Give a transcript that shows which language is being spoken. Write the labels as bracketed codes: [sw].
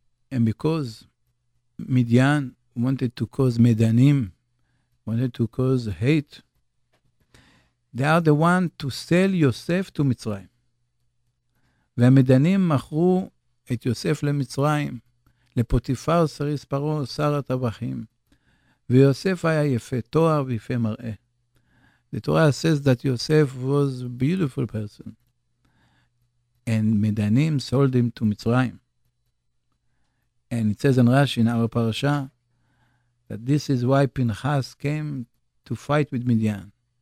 [en] And because Midian wanted to cause Medanim, wanted to cause hate, they are the one to sell Yosef to Mitzrayim. [he] והמדנים מכרו את יוסף למצרים, לפוטיפר סריס פרו, שר הטבחים. ויוסף היה יפה תואר ויפה מראה. [en] The Torah says that Yosef was a beautiful person. And Medanim sold him to Mitzrayim. And it says in Rashi, in our parasha, that this is why Pinchas came to fight with Midian.